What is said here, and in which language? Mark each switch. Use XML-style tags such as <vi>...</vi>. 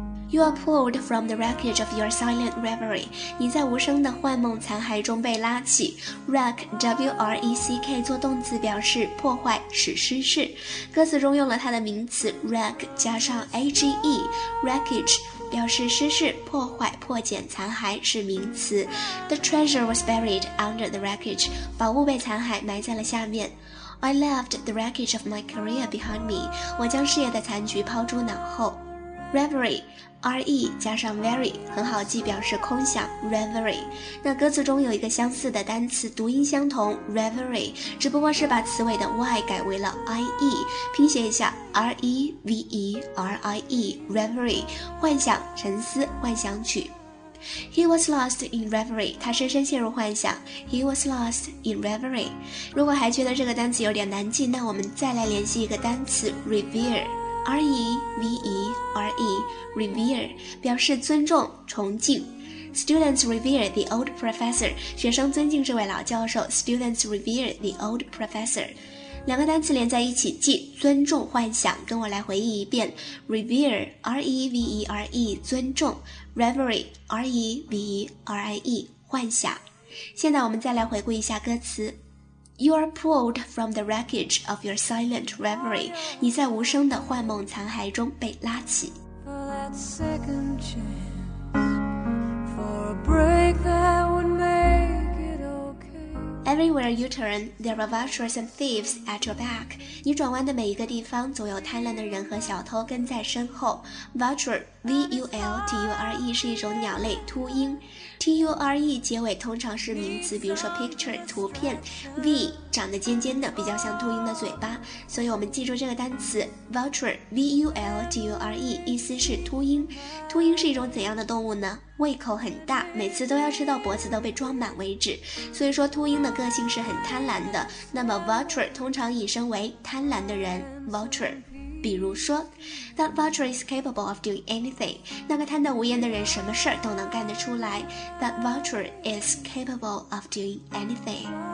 <en>You are pulled from the wreckage of your silent reverie.</en> <zh>你在无声的幻梦残骸中被拉起。Wreck, W-R-E-C-K, 做动词表示破坏、使失事。歌词中用了它的名词 wreck 加上 A-G-E, wreckage, 表示失事、破坏、破茧、残骸，是名词。</zh> <en>The treasure was buried under the wreckage.</en> <zh>宝物被残骸埋在了下面。</zh> <en>I left the wreckage of my career behind me.</en> <zh>我将事业的残局抛诸脑后。Reverie, R-E 加上 very, 很好记，表示空想 Reverie. 那歌词中有一个相似的单词，读音相同 Reverie, 只不过是把词尾的 Y 改为了 I-E, 拼写一下 R-E-V-E-R-I-E, Reverie, 幻想、沉思、幻想曲。</zh> <en>He was lost in reverie.</en> <zh>他深深陷入幻想。</zh> <en>He was lost in reverie.</en> <zh>如果还觉得这个单词有点难记，那我们再来联系一个单词 Revere. R-E-V-E-R-E, revere, 表示尊重、崇敬。</zh> <en>Students revere the old professor.</en> <zh>学生尊敬这位老教授。</zh> <en>Students revere the old professor.</en> <zh>两个单词连在一起记，尊重、幻想，跟我来回忆一遍。 Revere, R-E-V-E-R-E, 尊重。 Reverie, R-E-V-E-R-I-E, 幻想。现在我们再来回顾一下歌词。</zh> <en>You are pulled from the wreckage of your silent reverie.</en> <zh>你在无声的幻梦残骸中被拉起。</zh> <en>For that second chance, for a break that would make it okay. Everywhere you turn, there are vultures and thieves at your back.</en> <zh>你转弯的每一个地方，总有贪婪的人和小偷跟在身后。 Vulture, V-U-L-T-U-R-E 是一种鸟类，秃鹰。T-U-R-E 结尾通常是名词，比如说 picture 图片。 V 长得尖尖的，比较像秃鹰的嘴巴，所以我们记住这个单词 Vulture, V-U-L-T-U-R-E, 意思是秃鹰。秃鹰是一种怎样的动物呢？胃口很大，每次都要吃到脖子都被装满为止，所以说秃鹰的个性是很贪婪的。那么 Vulture 通常引申为贪婪的人 Vulture。比如说</zh> <en>That vulture is capable of doing anything.</en> <zh>那个贪得无厌的人什么事都能干得出来。</zh> <en>That vulture is capable of doing anything.</en>